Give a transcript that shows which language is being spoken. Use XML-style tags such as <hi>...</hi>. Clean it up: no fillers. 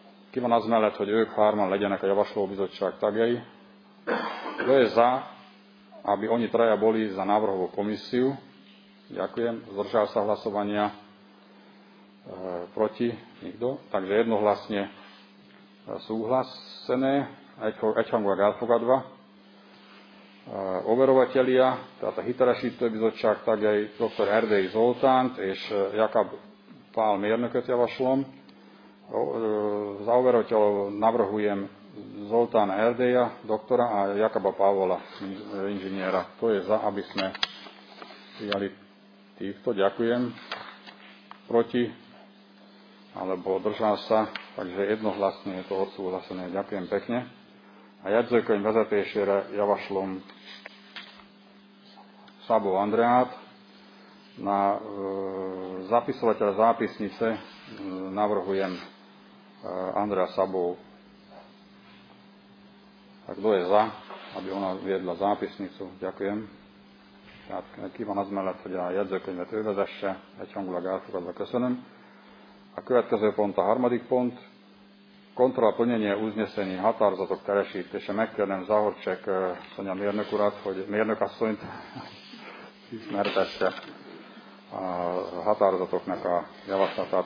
<hu>Ki van az mellett, hogy ők hárman legyenek a javaslóbizottság tagjai?</hu> <sk>Kto je za, aby oni traja boli za návrhovú komisiu? Ďakujem. Zdržal sa hlasovania? Proti? Nikto? Takže jednohlasne súhlasené.</sk> <hu>Egyhangúak elfogadva.</hu> <sk>Overovatelia,</sk> <hu>tehát a hitelesítőbizottság tagjai dr. Erdély Zoltánt és Jakab Pál mérnököt javaslom.</hu> <sk>Za overovateľov navrhujem Zoltána Erdélya doktora a Jakaba Pávola inžiniera. To je za, aby sme prijali týchto. Ďakujem. Proti? Alebo držal sa? Takže jednohlasne je to odsúhlasené. Ďakujem pekne.</sk> <hu>A jegyzőkönyv vezetésére javaslom Szabó Andreát.</hu> <sk>Na zapisovateľa zápisnice navrhujem Andrea Szabó. A kto je za, aby ona viedla zápisnicu? Ďakujem.</sk> <hu>Tehát ki van az mellett, hogy a jegyzőkönyvet ő vezesse? Egyhangulag elfogadva köszönöm. A következő pont a harmadik pont.</hu> <sk>Kontrola plnenia uznesení</sk> <hu>határozatok teresítése. Megkérdem Zahorček Szonya mérnök urat, hogy mérnök asszonyt ismertesse a határozatoknak a javaslatát.</hu>